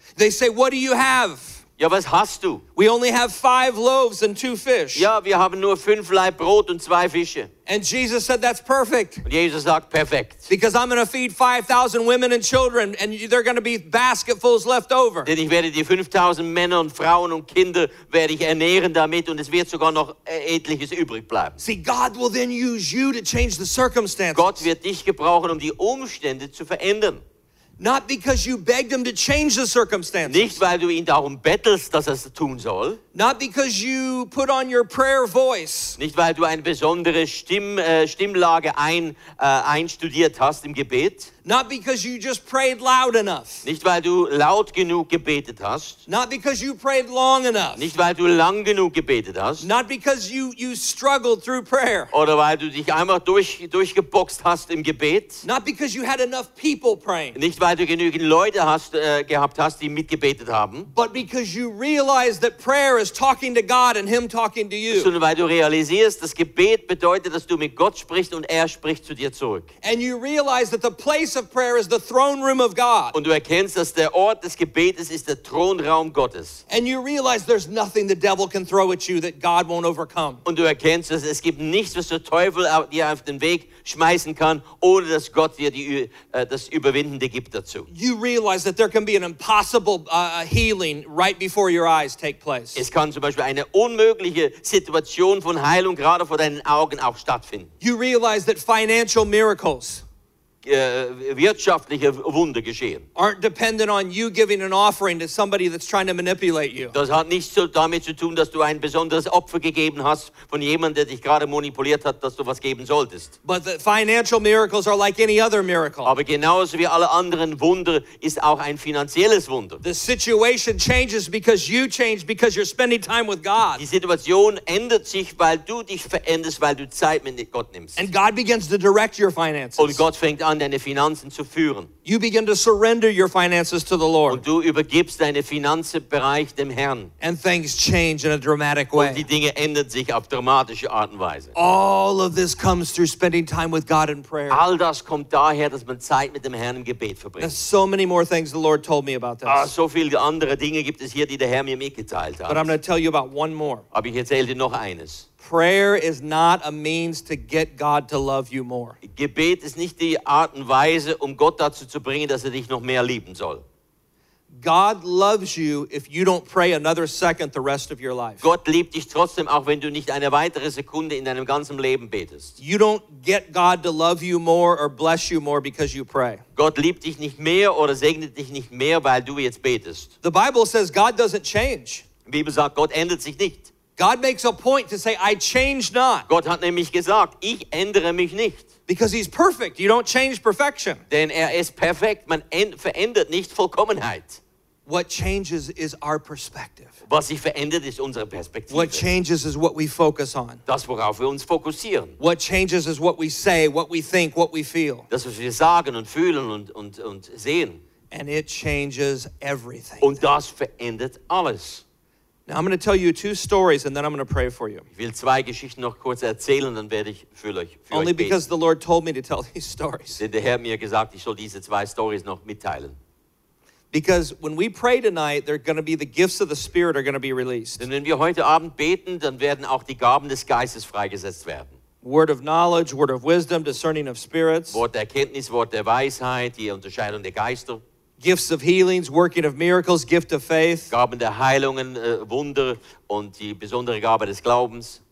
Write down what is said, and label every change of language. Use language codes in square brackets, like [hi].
[en] They say, what do you have? [de] Ja, was hast du? [en] We only have 5 loaves and 2 fish. [de] Ja, wir haben nur 5 Laib Brot und 2 Fische. [en] And Jesus said, that's perfect. [de] Und Jesus sagt, perfekt. [en] Because I'm going to feed 5,000 women and children and they're going to be basketfuls left over. [de] Denn ich werde die 5,000 Männer und Frauen und Kinder werde ich ernähren damit und es wird sogar noch etliches übrig bleiben. [en] See, God will then use you to change the circumstances. [de] Gott wird dich gebrauchen, um die Umstände zu verändern. [en] Not because you begged him to change the circumstances. [de] Nicht weil du ihn darum bettelst, dass es tun soll. [en] Not because you put on your prayer voice. [de] Nicht weil du eine besondere Stimmlage einstudiert hast im Gebet. [en] Not because you just prayed loud enough. [de] Nicht weil du laut genug gebetet hast. [en] Not because you prayed long enough. [de] Nicht weil du lang genug gebetet hast. [en] Not because you struggled through prayer. [de] Oder weil du dich einmal durchgeboxt hast im Gebet. [en] Not because you had enough people praying. [de] Nicht weil du genügend Leute gehabt hast, die mitgebetet haben. [en] But because you realized that prayer is talking to God and him talking to you. [de] Sondern weil du realisierst, das Gebet bedeutet, dass du mit Gott sprichst und er spricht zu dir zurück. [en] And you realize that the place of prayer is the throne room of God. [de] Und du erkennst, dass der Ort des Gebetes ist der Thronraum Gottes. [en] And you realize there's nothing the devil can throw at you that God won't overcome. [de] Und du erkennst, dass es gibt nichts, was der Teufel dir auf den Weg schmeißen kann, ohne dass Gott dir das Überwindende gibt dazu. [en] You realize that there can be an impossible healing right before your eyes take place. [de] Es kann zum Beispiel eine unmögliche Situation von Heilung gerade vor deinen Augen auch stattfinden. [en] You realize that financial miracles [de] wirtschaftliche Wunder geschehen. [en] Aren't dependent on you giving an offering to somebody that's trying to manipulate you. [de] Das hat nichts damit zu tun, dass du ein besonderes Opfer gegeben hast von jemandem, der dich gerade manipuliert hat, dass du was geben solltest. [en] But the financial miracles are like any other miracle. [de] Aber genauso wie alle anderen Wunder ist auch ein finanzielles Wunder. [en] The situation changes because you change because you're spending time with God. [de] Die Situation ändert sich, weil du dich veränderst, weil du Zeit mit Gott nimmst. [en] And God begins to direct your finances. [de] Und Gott fängt an, deine Finanzen zu führen. [en] You begin to surrender your finances to the Lord. [de] Und du übergibst deinen Finanzbereich dem Herrn. [en] And things change in a dramatic way. [de] Und die Dinge ändern sich auf dramatische Art und Weise. [en] All of this comes through spending time with God in prayer. [de] All das kommt daher, dass man Zeit mit dem Herrn im Gebet verbringt. [en] There's so many more things the Lord told me about this. [de] Ah, so viele andere Dinge gibt es hier, die der Herr mir mitgeteilt hat. [en] But I'm going to tell you about one more. [de] Aber ich erzähle dir noch eines. [en] Prayer is not a means to get God to love you more. [de] Gebet ist nicht die Art und Weise, um Gott dazu zu bringen, dass er dich noch mehr lieben soll. [en] God loves you if you don't pray another second the rest of your life. [de] Gott liebt dich trotzdem, auch wenn du nicht eine weitere Sekunde in deinem ganzen Leben betest. [en] You don't get God to love you more or bless you more because you pray. [de] Gott liebt dich nicht mehr oder segnet dich nicht mehr, weil du jetzt betest. [en] The Bible says God doesn't change. [de] Die Bibel sagt, Gott ändert sich nicht. [en] God makes a point to say, I change not. [de] Gott hat nämlich gesagt, ich ändere mich nicht. [en] Because he's perfect. You don't change perfection. [de] Denn ist perfekt. Man verändert nicht Vollkommenheit. [en] What changes is our perspective. [de] Was sich verändert, ist unsere Perspektive. [en] What changes is what we focus on. [de] Das, worauf wir uns fokussieren. [en] What changes is what we say, what we think, what we feel. [de] Das, was wir sagen und fühlen und sehen. [en] And it changes everything. [de] Und das verändert alles. [en] Now I'm going to tell you two stories and then I'm going to pray for you. [de] Ich will zwei Geschichten noch kurz erzählen, dann werde ich für euch beten. [en] Only because the Lord told me to tell these stories. [de] Denn der Herr mir gesagt, ich soll diese zwei Stories noch mitteilen. [en] Because when we pray tonight, they're going to be the gifts of the Spirit are going to be released. [de] Denn wenn wir heute Abend beten, dann werden auch die Gaben des Geistes freigesetzt werden. [en] Word of knowledge, word of wisdom, discerning of spirits. [de] Wort der Erkenntnis, Wort der Weisheit, die Unterscheidung der Geister. [en] Gifts of healings, working of miracles, gift of faith. [de] Gaben der Heilungen, Wunder und die besondere Gabe des Glaubens.